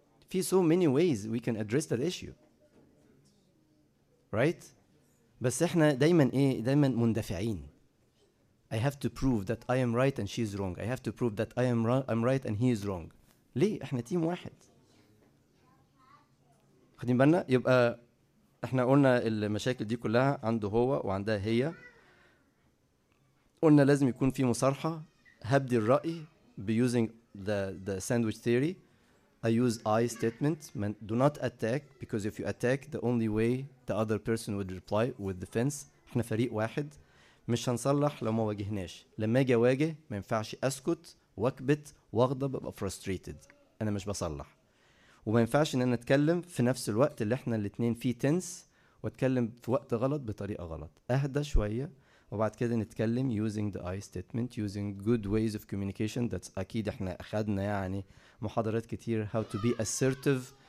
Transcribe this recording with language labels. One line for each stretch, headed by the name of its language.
English: في so many ways we can address that issue right
Arabic: بس احنا دايما ايه دايما مندفعين
English: I have to prove that I am right and she is wrong. I have to prove that I'm right and he is wrong.
Arabic: ليه؟ احنا تيم واحد. خدين بالنا؟ يبقى احنا قلنا المشاكل دي كلها عنده هو وعندها هي. قلنا لازم يكون في مصارحة. هبدي الرأي
English: by using the sandwich theory. I use I statement. Do not attack because if you attack, the only way the other person would reply with defense.
Arabic: احنا فريق واحد. مش هنصلح لو ما واجهناش لما اجي اواجه ما ينفعش اسكت واكبت واغضب ابقى فرستريتد انا مش بصلح وما ينفعش ان انا اتكلم في نفس الوقت اللي احنا الاثنين فيه تنس واتكلم في وقت غلط بطريقه غلط اهدى شويه وبعد كده نتكلم
English: using the I statement using good ways of communication that's
Arabic: اكيد احنا اخذنا يعني محاضرات كتير
English: how to be assertive